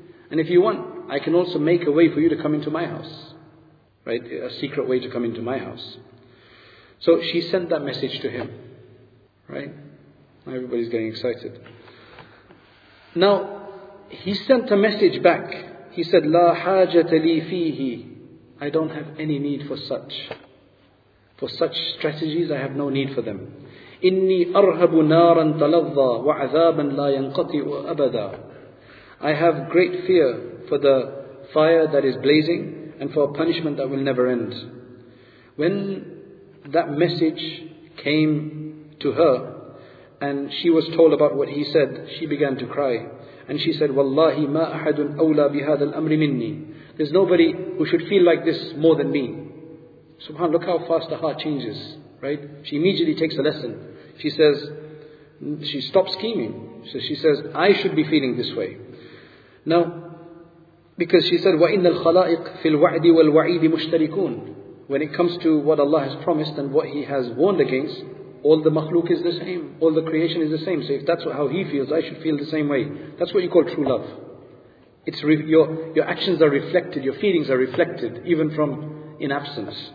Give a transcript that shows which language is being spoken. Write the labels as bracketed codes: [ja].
[en] And if you want, I can also make a way for you to come into my house. Right? A secret way to come into my house. So she sent that message to him. Right? Everybody's getting excited. Now, he sent a message back. [ar] He said, لَا حَاجَةَ لِي فِيهِ. [en] I don't have any need for such. For such strategies, I have no need for them. [ar] إِنِّي أَرْهَبُ نَارًا تَلَظَّى وَعَذَابًا لَا يَنْقَطِعُ أَبَدًا. [en] I have great fear for the fire that is blazing and for a punishment that will never end. When that message came to her and she was told about what he said, she began to cry. [ar] And she said, وَاللَّهِ مَا أَحَدٌ أَوْلَى بِهَذَا الْأَمْرِ مِنِّي. [en] There's nobody who should feel like this more than me. Subhan, look how fast the heart changes, right? She immediately takes a lesson. She says, she stops scheming. So she says, I should be feeling this way. [ar] Now, because she said, وَإِنَّ الْخَلَائِقِ فِي الْوَعْدِ وَالْوَعِيدِ مُشْتَرِكُونَ. [en] When it comes to what Allah has promised and what He has warned against, all the makhluk is the same. All the creation is the same. So if that's how he feels, I should feel the same way. That's what you call true love. It's your actions are reflected, your feelings are reflected, even from in absence.